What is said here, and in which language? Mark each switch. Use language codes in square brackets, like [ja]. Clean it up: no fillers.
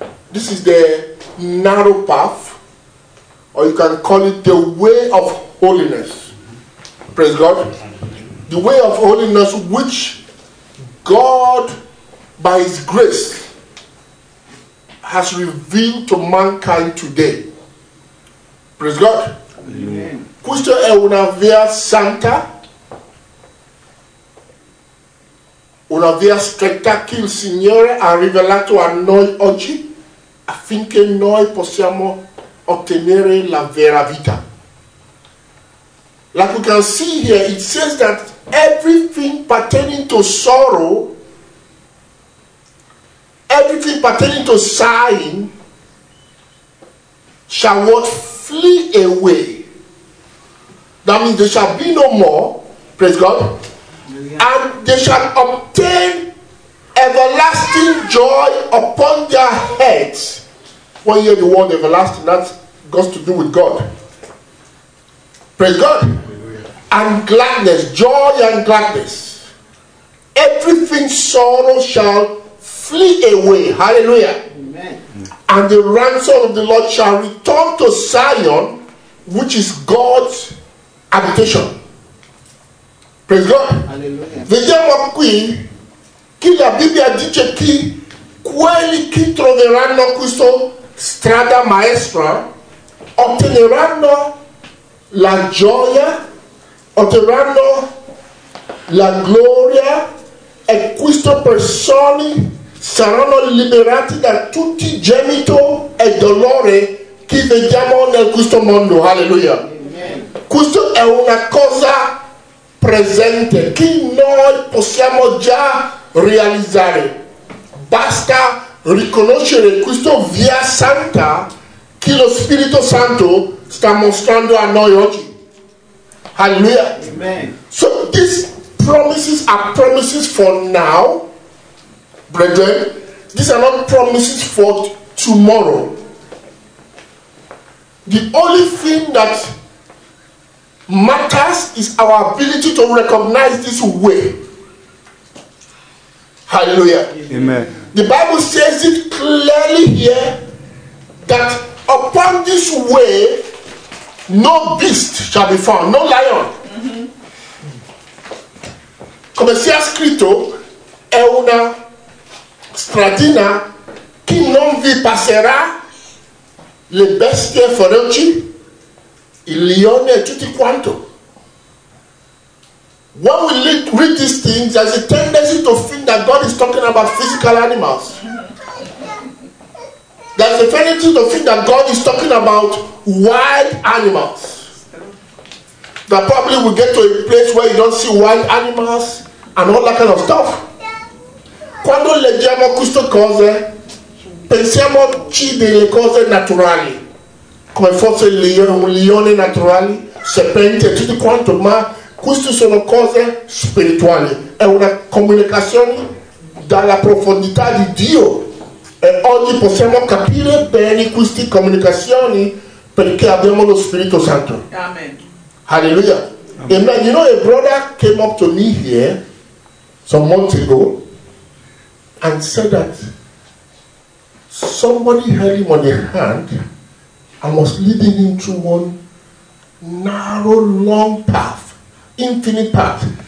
[en] This is the narrow path, or you can call it the way of holiness. Praise God. The way of holiness which God, by His grace, has revealed to mankind today. Praise God. Amen. [it] Questa è una via santa, una via stretta che il Signore ha rivelato a noi oggi affinché noi possiamo ottenere la vera vita. [en] Like we can see here, it says that everything pertaining to sorrow, everything pertaining to sighing, shall what? Flee away. That means there shall be no more, praise God, and they shall obtain everlasting joy upon their heads. When you hear the word everlasting, that's got to do with God. Praise God. and gladness, joy and gladness. Everything sorrow shall flee away. Hallelujah. Amen. And the ransom of the Lord shall return to Zion, which is God's habitation. Praise God. Hallelujah. [it] Vediamo qui che la Bibbia dice che quelli che troveranno questa strada maestra otterranno la gioia, otterranno la gloria, e queste persone saranno liberati da tutti i gemiti e dolori che vediamo nel questo mondo. Alleluia. Questo è una cosa presente che noi possiamo già realizzare. Basta riconoscere questa via santa che lo Spirito Santo sta mostrando a noi oggi. Alleluia. Amen. [en] So these promises are promises for now, brethren. These are not promises for tomorrow. The only thing that matters is our ability to recognize this way. Hallelujah. Amen. The Bible says it clearly here that upon this way no beast shall be found, no lion. [it] Come si è scritto, è una stradina che non vi passerà le bestie feroci, il leone e tutti quanto. [en] When we read these things, there's a tendency to think that God is talking about physical animals. There's a tendency to think that God is talking about wild animals. That probably we get to a place where you don't see wild animals and all that kind of stuff. [it] Quando leggiamo queste cose, pensiamo ci delle cose naturali, come forse un leone naturale, serpente, tutto quanto, ma queste sono cose spirituali. È una comunicazione dalla profondità di Dio. E oggi possiamo capire bene queste comunicazioni perché abbiamo lo Spirito Santo. Amen. [en] Hallelujah. Amen. Amen. You know, a brother came up to me here some months ago and said that somebody held him on the hand and was leading him through one narrow, long path, infinite path.